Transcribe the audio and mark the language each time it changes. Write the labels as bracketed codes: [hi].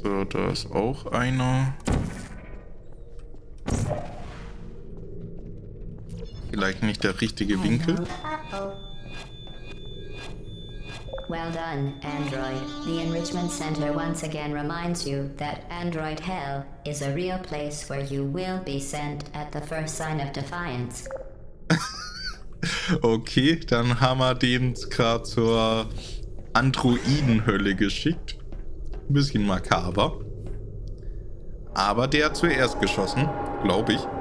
[de] Da ist auch einer. Vielleicht nicht der richtige Winkel. [en] Well done, Android. The Enrichment Center once again reminds you that Android Hell is a real place where you will be sent at the first sign of defiance. [de] Okay, dann haben wir den gerade zur Androidenhölle geschickt. Ein bisschen makaber. Aber der hat zuerst geschossen, glaube ich.